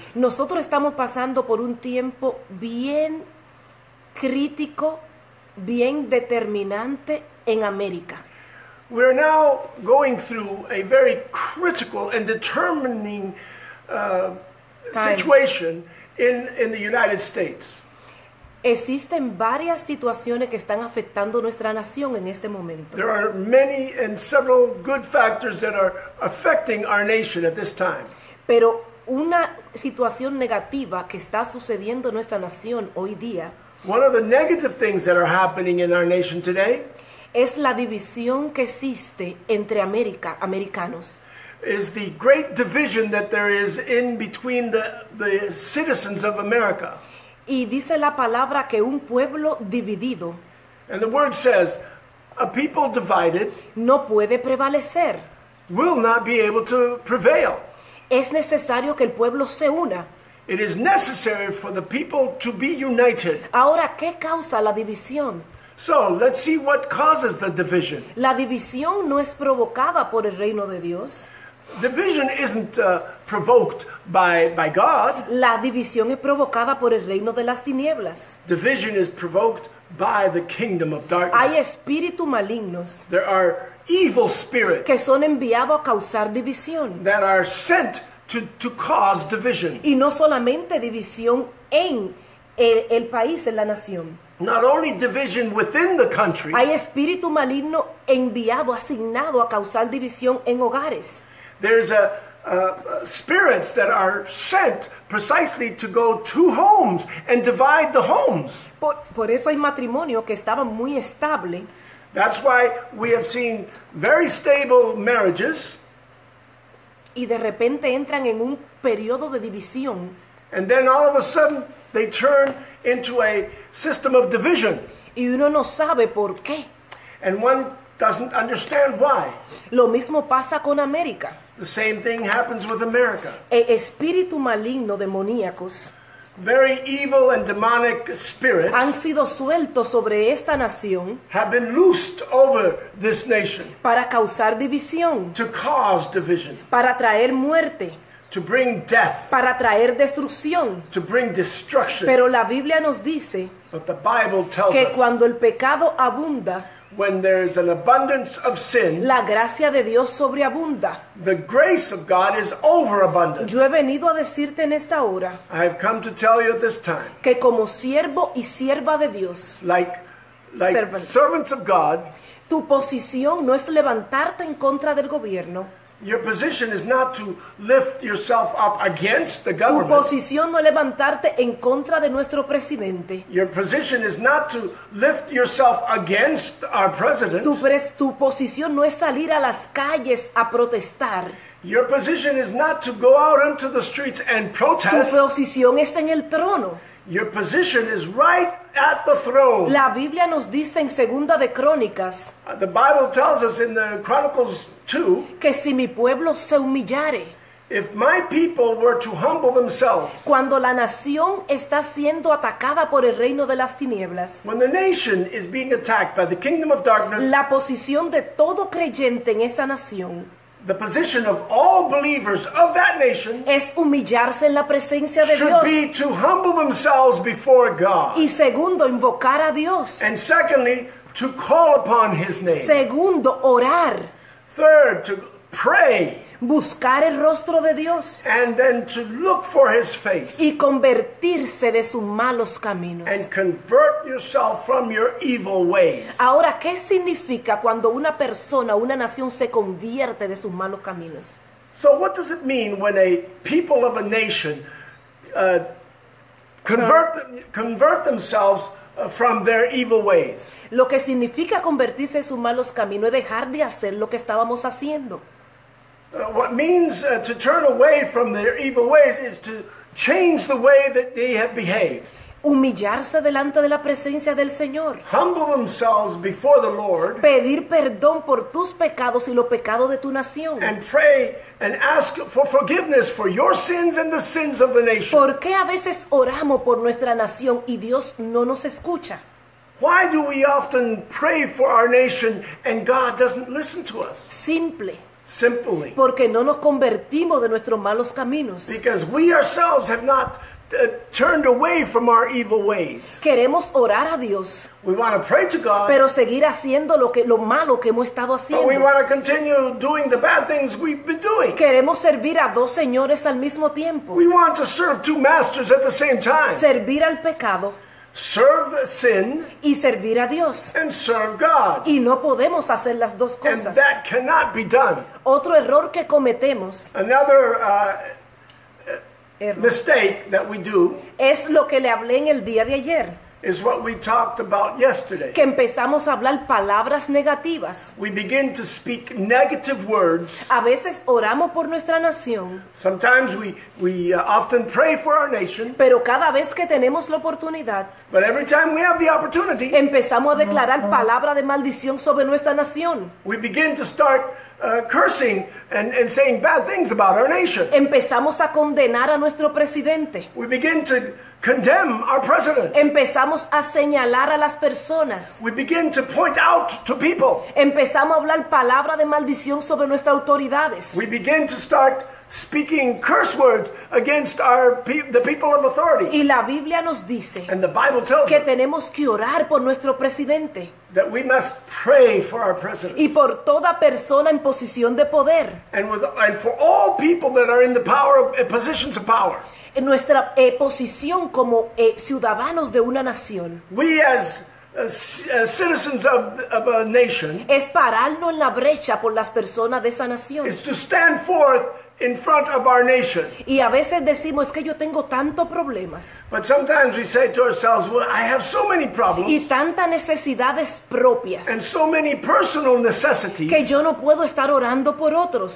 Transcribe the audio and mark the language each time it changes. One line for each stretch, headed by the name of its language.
Spanish: Nosotros estamos pasando por un tiempo bien crítico, bien determinante en América.
English: We are now going through a very critical and determining situation in the United States.
Spanish: Existen varias situaciones que están afectando nuestra nación en este momento.
English: There are many and several good factors that are affecting our nation at this time.
Spanish: Pero una situación negativa que está sucediendo en nuestra nación hoy día,
English: one of the negative things that are happening in our nation today,
Spanish: es la división que existe entre americanos.
English: Is the great division that there is in between the citizens of America.
Spanish: Y dice la palabra que un pueblo dividido.
English: And the word says, a people divided
Spanish: no puede prevalecer.
English: Will not be able to prevail.
Spanish: Es necesario que el pueblo se una.
English: It is necessary for the people to be united.
Spanish: Ahora, ¿qué causa la división?
English: So, let's see what causes the division.
Spanish: La división no es provocada por el reino de Dios.
English: Division isn't provoked by God.
Spanish: La división es provocada por el reino de las tinieblas.
English: Division is provoked by the kingdom of darkness.
Spanish: Hay espíritu malignos.
English: There are evil spirits
Spanish: que son enviados a causar división.
English: That are sent to cause division.
Spanish: Y no solamente división en el país, en la nación.
English: Not only division within the country.
Spanish: Hay espíritu maligno enviado, asignado a causar división en hogares.
English: There's spirits that are sent precisely to go to homes and divide the homes.
Spanish: Por eso hay matrimonio que estaba muy estable.
English: That's why we have seen very stable marriages.
Spanish: Y de repente entran en un periodo de división.
English: And then all of a sudden they turn into a system of division.
Spanish: Y uno no sabe por qué.
English: And one doesn't understand why.
Spanish: Lo mismo pasa con América.
English: The same thing happens with America.
Spanish: El espíritu maligno demoníacos.
English: Very evil and demonic spirits
Spanish: han sido sueltos sobre esta nación.
English: Have been loosed over this nation.
Spanish: Para causar división.
English: To cause division.
Spanish: Para traer muerte.
English: To bring death.
Spanish: Para traer destrucción.
English: To bring destruction.
Spanish: Pero la Biblia nos dice.
English: But the Bible tells
Spanish: que cuando el pecado abunda.
English: When there is an abundance of sin,
Spanish: la gracia de Dios sobreabunda.
English: The grace of God is overabundant.
Spanish: Yo he venido a decirte en esta hora.
English: I have come to tell you at this time.
Spanish: Que como siervo y sierva de Dios.
English: Like servant. Servants of God.
Spanish: Tu posición no es levantarte en contra del gobierno.
English: Your position is not to lift yourself up against the government.
Spanish: Tu posición no es levantarte en contra de nuestro presidente.
English: Your position is not to lift yourself against our president.
Spanish: Tu posición no es salir a las calles a protestar.
English: Your position is not to go out into the streets and protest.
Spanish: Tu posición es en el trono.
English: Your position is right at the throne.
Spanish: La Biblia nos dice en Segunda de Crónicas.
English: The Bible tells us in the Chronicles 2.
Spanish: Que si mi pueblo se humillare.
English: If my people were to humble themselves.
Spanish: Cuando la nación está siendo atacada por el reino de las tinieblas.
English: When the nation is being attacked by the kingdom of darkness.
Spanish: La posición de todo creyente en esa nación.
English: The position of all believers of that nation
Spanish: es humillarse en la presencia de
English: should
Spanish: Dios.
English: Be to humble themselves before God.
Spanish: Y segundo, invocar a Dios.
English: And secondly, to call upon His name.
Spanish: Segundo, orar.
English: Third, to pray.
Spanish: Buscar el rostro de Dios.
English: And then to look for His face.
Spanish: Y convertirse de sus malos caminos.
English: And convert yourself from your evil ways.
Spanish: Ahora, ¿qué significa cuando una persona, una nación se convierte de sus malos caminos?
English: So what does it mean when a people of a nation convert themselves from their evil ways?
Spanish: Lo que significa convertirse de sus malos caminos es dejar de hacer lo que estábamos haciendo.
English: What means to turn away from their evil ways is to change the way that they have behaved.
Spanish: Humillarse delante de la presencia del Señor.
English: Humble themselves before the Lord.
Spanish: Pedir perdón por tus pecados y los pecados de tu nación.
English: And pray and ask for forgiveness for your sins and the sins of the nation.
Spanish: ¿Por qué a veces oramos por nuestra nación y Dios no nos escucha?
English: Why do we often pray for our nation and God doesn't listen to us?
Spanish: Simple.
English: Simply.
Spanish: Porque no nos convertimos de nuestros malos caminos.
English: Because we ourselves have not turned away from our evil ways.
Spanish: Queremos orar a Dios.
English: We want to pray to God.
Spanish: Pero seguir haciendo lo malo que hemos estado haciendo.
English: But we want to continue doing the bad things we've been doing.
Spanish: Queremos servir a dos señores al mismo tiempo.
English: We want to serve two masters at the same time.
Spanish: Servir al pecado.
English: Serve sin
Spanish: y servir a Dios.
English: And serve God.
Spanish: Y no podemos hacer las dos cosas.
English: And that cannot be done.
Spanish: Otro error que cometemos.
English: Another error. Mistake that we do
Spanish: es lo que le hablé en el día de ayer.
English: is what we talked about yesterday.
Spanish: Que empezamos a hablar palabras negativas.
English: We begin to speak negative words.
Spanish: A veces oramos por nuestra nación.
English: Sometimes we often pray for our nation.
Spanish: Pero cada vez que tenemos la oportunidad.
English: But every time we have the opportunity.
Spanish: Empezamos a declarar palabra de maldición sobre nuestra nación.
English: We begin to start cursing and saying bad things about our nation.
Spanish: Empezamos a condenar a nuestro presidente.
English: We begin to condemn our president.
Spanish: Empezamos a señalar a las personas.
English: We begin to point out to people.
Spanish: Empezamos a hablar palabra de maldición sobre nuestras autoridades.
English: We begin to start speaking curse words against our the people of authority.
Spanish: Y la Biblia nos dice,
English: and the Bible tells
Spanish: que tenemos que orar por nuestro presidente.
English: That we must pray for our president.
Spanish: Y por toda persona en posición de poder.
English: And for all people that are in the power of positions of power.
Spanish: En nuestra posición como ciudadanos de una nación.
English: We as citizens of a nation.
Spanish: Es pararnos en la brecha por las personas de esa nación.
English: Is to stand forth in front of our nation.
Spanish: Y a veces decimos, es que yo tengo tanto problemas.
English: But sometimes we say to ourselves, well, I have so many problems.
Spanish: Y tanta necesidades propias.
English: And so many personal necessities.
Spanish: Que yo no puedo estar orando por otros.